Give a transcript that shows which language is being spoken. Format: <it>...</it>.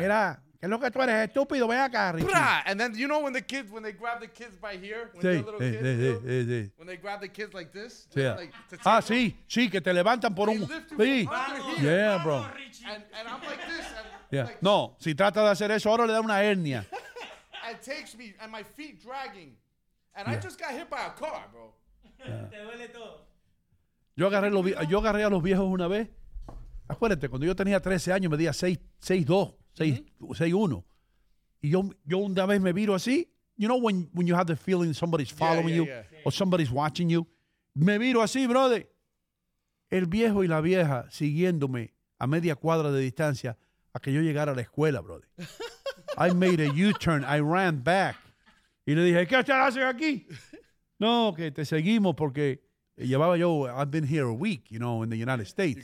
<es>Mira, que lo que tú eres estúpido, ve acá, Richie. ¡Bra!</es> <en>And then, you know when the kids, when they grab the kids by here? When they're little kids, when they grab the kids like this?</en> <es>Ah, sí, sí, que te levantan por un...</es> <en>Sí. Yeah, bro. And I'm like this.</en> <es>No, si trata de hacer eso, ahora le da una hernia.</es> <en>And takes me, and my feet dragging. And I just got hit by a car, bro.</en> <es>Yo agarré a los viejos una vez. Acuérdate, cuando yo tenía 13 años, medía 6'2", 6'1". Y yo una vez me viro así.</es> <en>You know when you have the feeling somebody's following you or somebody's watching you?</en> <es>Me viro así, brother. El viejo y la vieja siguiéndome a media cuadra de distancia a que yo llegara a la escuela, brother.</es> <en>I made a U-turn. I ran back.</en> <es>Y le dije, ¿qué estás haciendo aquí? No, que te seguimos porque llevaba yo,</es> <en>I've been here a week, you know, in the United States.</en>